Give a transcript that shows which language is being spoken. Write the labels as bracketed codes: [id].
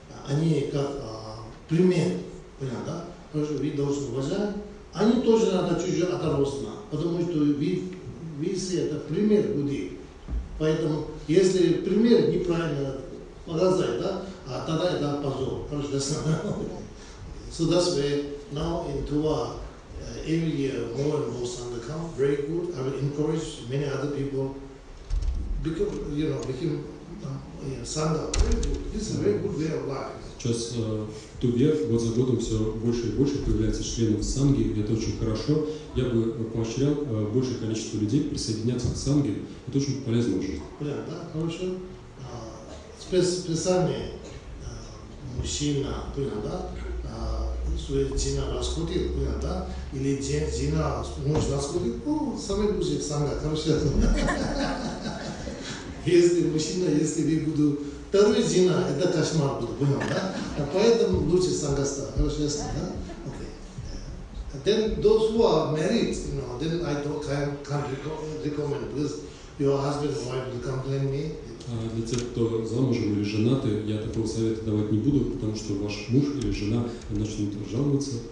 [ru] Они как пример, понимаете, да? Хорошо, вы должны уважать. Они тоже надо чуть-чуть оторваться, потому что вы все это пример Будды. Поэтому если пример неправильно показать, да? А тогда это позор. Хорошо, до свидания. [en] So that's why now in Tuva, every year more and more Sangha come, very good. I will encourage many other people, become, you know, become Sangha, very good. This is a very good way of life. [ru] Сейчас в Туве, год за годом, все больше и больше появляется членов Санги, это очень хорошо. Я бы поощрял большее количество людей присоединяться к Санге, это очень полезно в жизни. Понятно, да? Хорошо. Специально мужчина, понятно, да? Своя жена раскрутит, понятно, да? Или жена муж раскрутит, ну, самый лучший Санга, хорошо. Если мужчина, если вы буду второй жена, это кошмар будет, понял, да? Поэтому лучше Санга стать, хорошо, ясно, да? [en] Then those who are married, you know, then I can't recommend, because your husband or wife will complain me. [ru] Для тех, кто замужем или женаты, я такого совета давать не буду, потому что ваш муж или жена начнут жаловаться.